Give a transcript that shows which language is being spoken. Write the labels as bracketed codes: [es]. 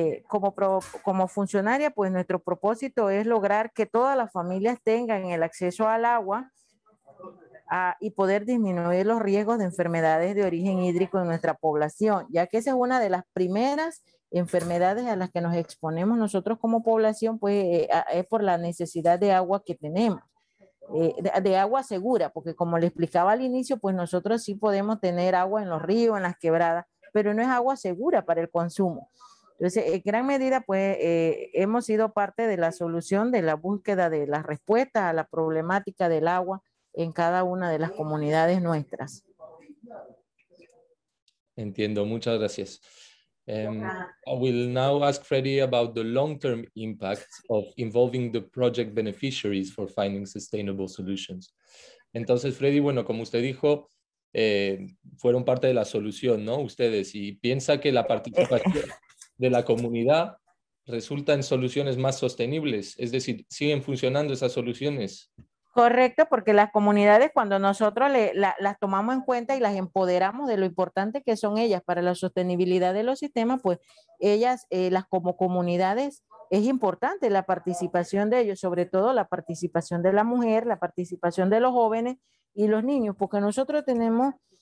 [es] Como funcionaria, pues nuestro propósito es lograr que todas las familias tengan el acceso al agua y poder disminuir los riesgos de enfermedades de origen hídrico en nuestra población, ya que esa es una de las primeras enfermedades a las que nos exponemos nosotros como población, pues es por la necesidad de agua que tenemos, de agua segura, porque como le explicaba al inicio, pues nosotros sí podemos tener agua en los ríos, en las quebradas, pero no es agua segura para el consumo. Entonces, en gran medida, pues hemos sido parte de la solución, de la búsqueda de las respuestas a la problemática del agua en cada una de las comunidades nuestras. Entiendo, muchas gracias. [en] I will now ask Fredy about the long-term impact of involving the project beneficiaries for finding sustainable solutions. [es] Entonces, Fredy, bueno, como usted dijo, fueron parte de la solución, ¿no? Ustedes, y piensa que la participación de la comunidad resulta en soluciones más sostenibles, es decir, siguen funcionando esas soluciones. Correcto, porque las comunidades cuando nosotros las tomamos en cuenta y las empoderamos de lo importante que son ellas para la sostenibilidad de los sistemas, pues ellas, las como comunidades, es importante la participación de ellos, sobre todo la participación de la mujer, la participación de los jóvenes y los niños, porque nosotros tenemos